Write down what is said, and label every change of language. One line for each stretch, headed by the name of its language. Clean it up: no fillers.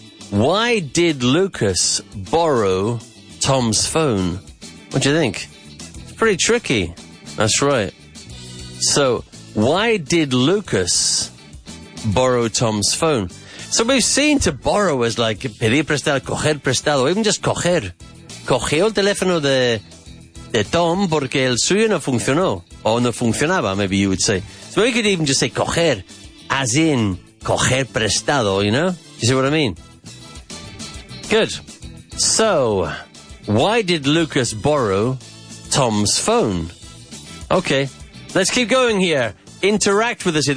English: Why did Lucas borrow Tom's phone? What do you think? It's pretty tricky. That's right. So why did Lucas borrow Tom's phone? So we've seen to borrow as like
Spanish: pedir prestado, coger prestado,
English: even just coger.
Spanish: Cogió el teléfono de Tom porque el suyo no funcionó. O no funcionaba,
English: maybe you would say. So we could even just say coger. As in,
Spanish: coger prestado,
English: you know? You see what I mean? Good. So, why did Lucas borrow Tom's phone? Okay, let's keep going here. Interact with us here.